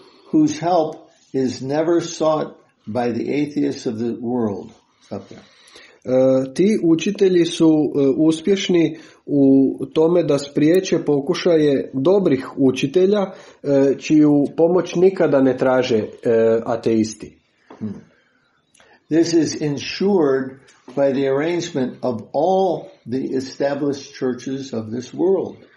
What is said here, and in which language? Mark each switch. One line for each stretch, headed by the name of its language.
English: whose help is never sought by the atheists of the world. Stop there.
Croatian: Ti učitelji su uspješni u tome da spriječe pokušaje dobrih učitelja čiju pomoć nikada ne traže ateisti.
English: This is ensured by the arrangement of all the established churches of this world.